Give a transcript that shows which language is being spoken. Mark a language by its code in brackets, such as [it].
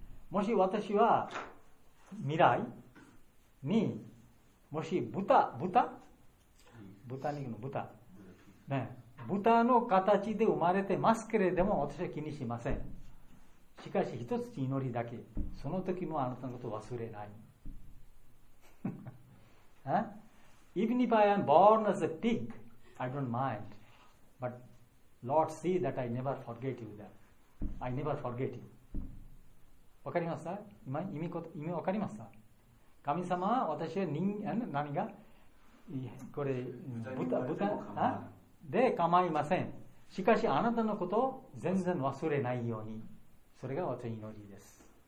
[ja] もし私は未来に、もし豚肉の豚。ね、豚の形で生まれてますけれども私は気にしません。しかし一つ祈りだけ、その時もあなたのことを忘れない。 [en] Even if I am born as a pig, I don't mind. But Lord see that I never forget you there. I never forget you. [ja] わかりますか？意味わかりますか？神様は私は人間、何がこれ豚で構いません。しかしあなたのことを全然忘れないように、それが私の祈りです。